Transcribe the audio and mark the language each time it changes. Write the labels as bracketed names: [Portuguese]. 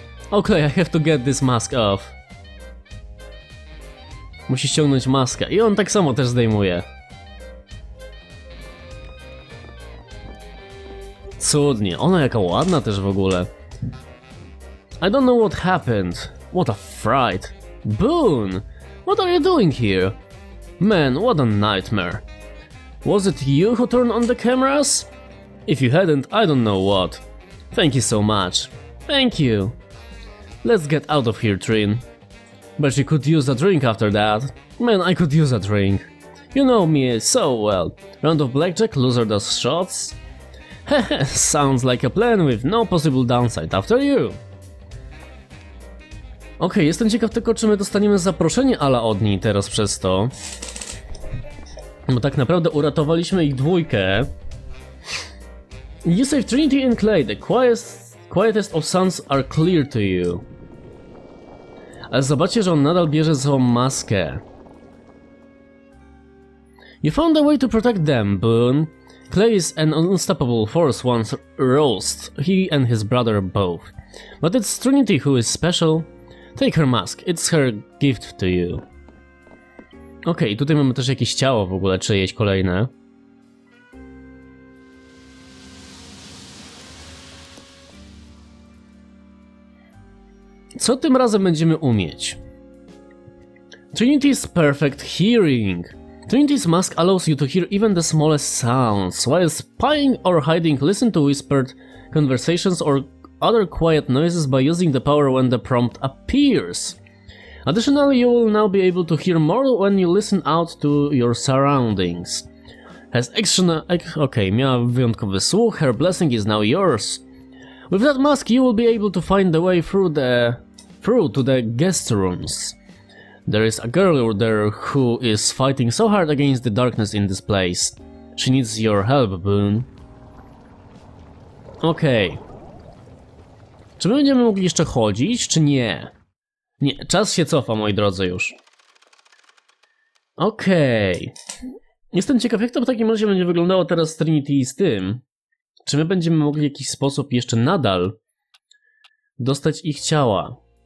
[English] Okej, I have to get this mask off. [Polish] Musi ściągnąć maskę. I on tak samo też zdejmuje. Cudnie. Ona jaka ładna też w ogóle. [English] I don't know what happened. What a fright. Boone! What are you doing here? Man, what a nightmare. Was it you who turned on the cameras? If you hadn't, I don't know what. Thank you so much. Thank you. Let's get out of here, Trin. But you could use a drink after that. Man, I could use a drink. You know me so well. Round of blackjack, loser does shots. Heh, sounds like a plan with no possible downside after you. [Polish] Okej, jestem ciekaw tylko, czy my dostaniemy zaproszenie ala od niej teraz przez to. Bo tak naprawdę uratowaliśmy ich dwójkę. [English] You save Trinity and Clay. The quietest of sons are clear to you. [Polish] Ale zobaczcie, że on nadal bierze ze sobą maskę. [English] You found a way to protect them, Boone. Clay is an unstoppable force once roused, he and his brother both. But it's Trinity who is special. Take her mask, it's her gift to you. [Polish] Okej, okay, tutaj mamy też jakieś ciało w ogóle czyjeś kolejne. Co tym razem będziemy umieć? [English] Trinity's perfect hearing. Trinity's mask allows you to hear even the smallest sounds. While spying or hiding, listen to whispered conversations or other quiet noises by using the power when the prompt appears. Additionally, you will now be able to hear more when you listen out to your surroundings. Has extra... [Polish] Okay, miała wyjątkowy słuch. [English] Her blessing is now yours. With that mask, you will be able to find the way through the... through to the guest rooms. There is a girl there who is fighting so hard against the darkness in this place. She needs your help, Boone. [Polish] Okej. Okay. Czy my będziemy mogli jeszcze chodzić, czy nie? Nie, czas się cofa, moi drodzy, już. Okej. Okay. Jestem ciekaw, jak to w takim razie będzie wyglądało teraz z Trinity i z tym. Czy my będziemy mogli w jakiś sposób jeszcze nadal dostać ich ciała?